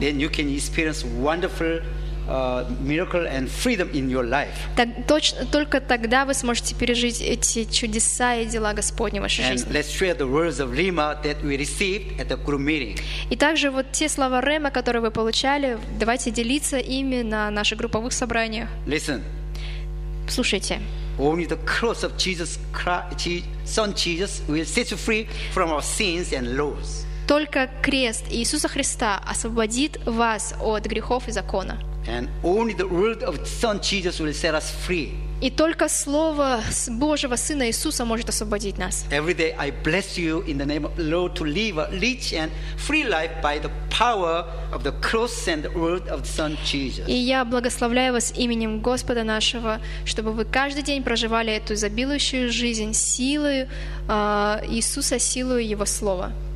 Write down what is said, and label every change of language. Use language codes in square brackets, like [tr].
[en] Then you can experience wonderful miracle and freedom in your life. [ru] Так только тогда вы сможете пережить эти чудеса и дела Господни в вашей жизни. [en] And let's share the words of Rema that we received at the group meeting. [ru] И также вот те слова Рема, которые вы получали, давайте делиться ими на наших групповых собраниях. [en] Listen. [ru] Слушайте. [en] Only the cross of Jesus Christ, Son Jesus, will set you free from our sins and laws. [ru] Только крест Иисуса Христа освободит вас от грехов и закона. [en] And only the word of Son Jesus will set us free. [ru] И только слово Божьего Сына Иисуса может освободить нас. [en] Every day I bless you in the name of the Lord to live a rich and free life by the power of the cross and the word of the Son Jesus. [ru] И я благословляю вас именем Господа нашего, чтобы вы каждый день проживали эту изобилующую жизнь силой Иисуса, силой Его слова.